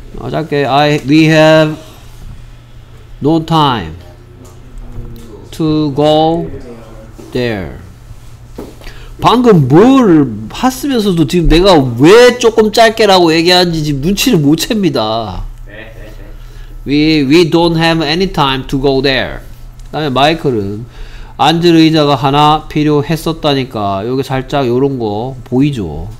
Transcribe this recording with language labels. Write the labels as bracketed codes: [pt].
[ko] 짧게. [en] We have no time to go there. [ko] 방금 뭘 봤으면서도 지금 내가 왜 조금 짧게라고 얘기하는지 지금 눈치를 못 챕니다. [en] We don't have any time to go there. [ko] 다음에 마이클은 앉을 의자가 하나 필요했었다니까. 여기 살짝 요런 거 보이죠?